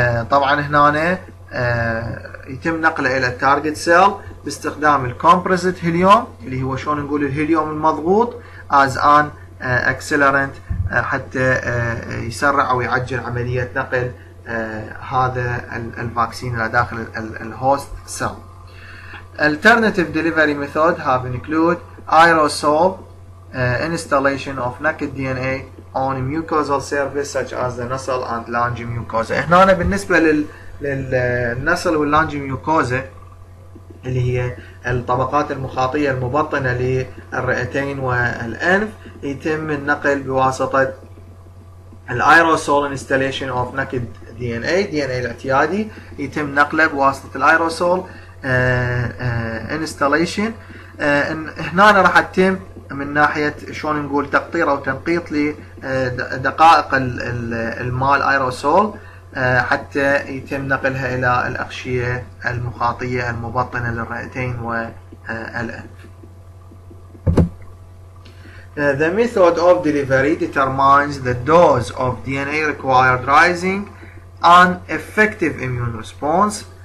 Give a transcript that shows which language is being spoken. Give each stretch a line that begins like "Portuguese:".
Arabic: طبعا هنا يتم نقله الى التارجت سيل باستخدام الكومبريسد هيليوم اللي هو شلون نقول الهيليوم المضغوط
English: as an accelerant
Arabic: حتى يسرع او يعجل عملية نقل هذا الفاكسين الى داخل الهوست سيل.
English: Alternative delivery method have include aerosol installation of naked DNA on mucosal surface such as the nasal and lung mucosa.
Arabic: هنا أنا بالنسبة للنسل واللانج ميوكوزا اللي هي الطبقات المخاطية المبطنة للرئتين والأنف يتم النقل بواسطة الايروسول انستاليشن اوف نكد دي ان اي الاعتيادي يتم نقله بواسطة الايروسول انستاليشن. هنا أنا راح يتم من ناحية شلون نقول تقطير او تنقيط لدقائق المال ايروسول حتى يتم نقلها الى الأغشية المخاطية المبطنة للرئتين والأنف.
English: The method of delivery determines the dose of DNA required rising an effective immune response.